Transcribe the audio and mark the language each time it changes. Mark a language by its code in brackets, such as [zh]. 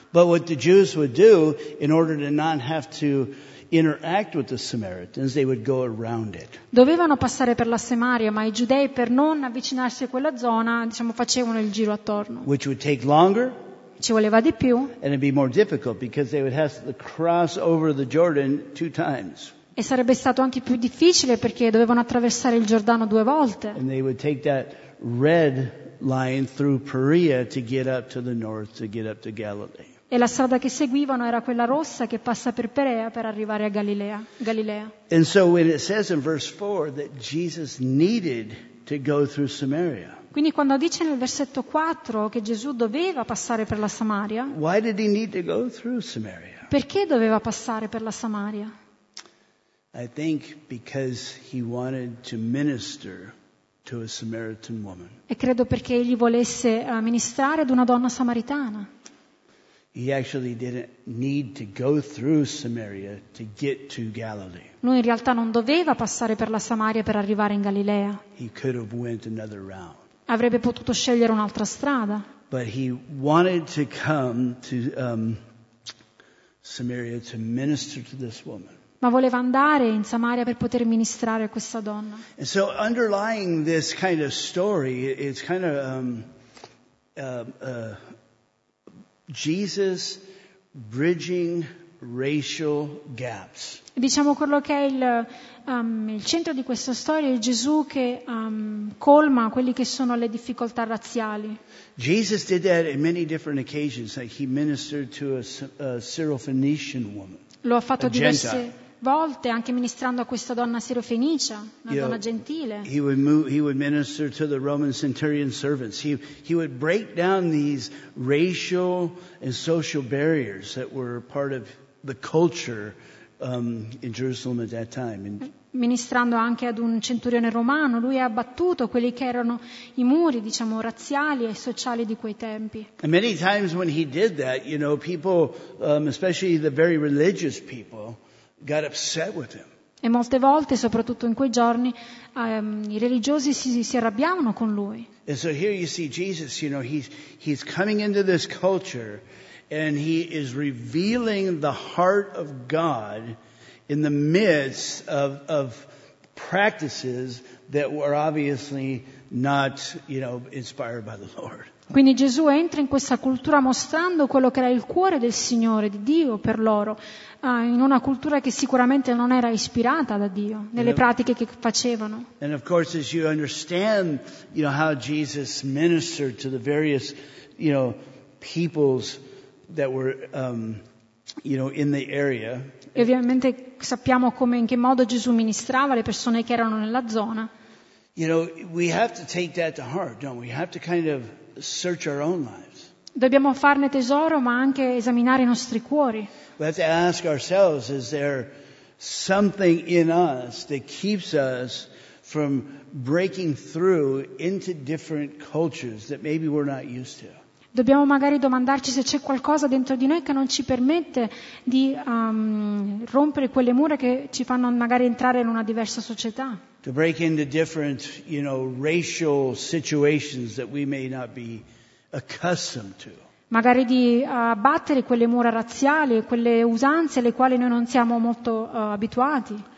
[en] But what the Jews would do in order to not have to interact with the Samaritans, they would go around it. [it] Dovevano passare per la Samaria, ma i giudei, per non avvicinarsi a quella zona, diciamo, facevano il giro attorno. [en] Which would take longer. [it] Ci voleva di più. [en] And it'd be more difficult because they would have to cross over the Jordan two times. [it] E sarebbe stato anche più difficile perché dovevano attraversare il Giordano due volte. [en] And they would take that red line through Perea to get up to the north, to get up to Galilee. [it] E la strada che seguivano era quella rossa che passa per Perea per arrivare a Galilea. [en] And so when it says in verse 4 that Jesus needed to go through Samaria. [it] Quindi quando dice nel versetto 4 che Gesù doveva passare per la Samaria. [en] Why did he need to go through Samaria? [it] Perché doveva passare per la Samaria? [en] I think because he wanted to minister to a Samaritan woman. [it] E credo perché egli volesse ministrare ad una donna samaritana. [en] He actually didn't need to go through Samaria to get to Galilee. [it] Lui in realtà non doveva passare per la Samaria per arrivare in Galilea. [en] He could have went another route. [it] Avrebbe potuto scegliere un'altra strada. [en] But he wanted to come to Samaria to minister to this woman. [it] Ma voleva andare in Samaria per poter ministrare a questa donna. [en] And so underlying this kind of story, it's kind of Jesus bridging racial gaps. [it] Diciamo quello che è il centro di questa storia è Gesù che colma quelli che sono le difficoltà razziali. [en] Jesus did that in many different occasions. Like he ministered to a Syrophoenician woman. [it] Lo ha fatto diverse volte, anche ministrando a questa donna sirofenicia, una donna gentile. [en] He would minister to the Roman centurion servants. He would break down these racial and social barriers that were part of the culture in Jerusalem at that time. [it] Ministrando anche ad un centurione romano, lui ha abbattuto quelli che erano i muri, diciamo, razziali e sociali di quei tempi. [en] And many times when he did that, you know, people, especially the very religious people, got upset with him. [it] E molte volte, soprattutto in quei giorni, i religiosi si arrabbiavano con lui. [en] And so here you see Jesus, you know, he's coming into this culture and he is revealing the heart of God in the midst of practices that were obviously not, you know, inspired by the Lord. [it] Quindi Gesù entra in questa cultura mostrando quello che era il cuore del Signore, di Dio per loro, in una cultura che sicuramente non era ispirata da Dio, nelle pratiche che facevano. [en] And of course, as you understand, you know, how Jesus ministered to the various, you know, peoples that were, you know, in the area. [it] E ovviamente sappiamo come, in che modo Gesù ministrava le persone che erano nella zona. [en] You know, we have to take that to heart, don't we? We have to kind of search our own lives. [it] Dobbiamo farne tesoro, ma anche esaminare i nostri cuori. [en] We have to ask ourselves, is there something in us that keeps us from breaking through into different cultures that maybe we're not used to? [it] Dobbiamo magari domandarci se c'è qualcosa dentro di noi che non ci permette di rompere quelle mura che ci fanno magari entrare in una diversa società. [en] To break into different, you know, racial situations that we may not be accustomed to. [it] Magari di abbattere quelle mura razziali, quelle usanze alle quali noi non siamo molto abituati.